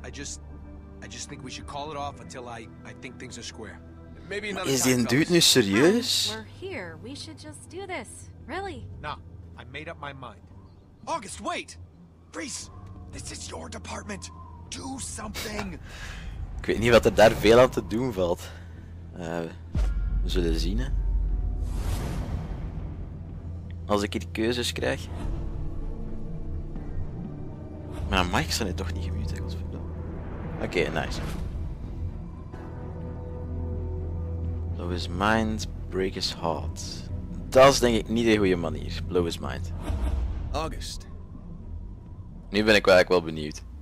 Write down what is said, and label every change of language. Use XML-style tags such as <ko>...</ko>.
<en>I just think we should call it off until I think things are square. Maybe another is time. Is the dude</en> <nl>nu serieus?</nl> <en>We're here. We should just do this. Really? No, I made up my mind. August, wait. Freeze. This is your department. Do something.</en> <nl>Ik weet niet wat er daar veel aan te doen valt. We zullen zien. Hè. Als ik hier keuzes krijg. Maar Mike zal het toch niet gemute, godverdomme. Oké, nice.</nl> <en>Blow his mind, break his heart.</en> <nl>Dat is denk ik niet de goede manier.</nl> <en>Blow his mind. August.</en> <nl>Nu ben ik eigenlijk wel benieuwd.</nl>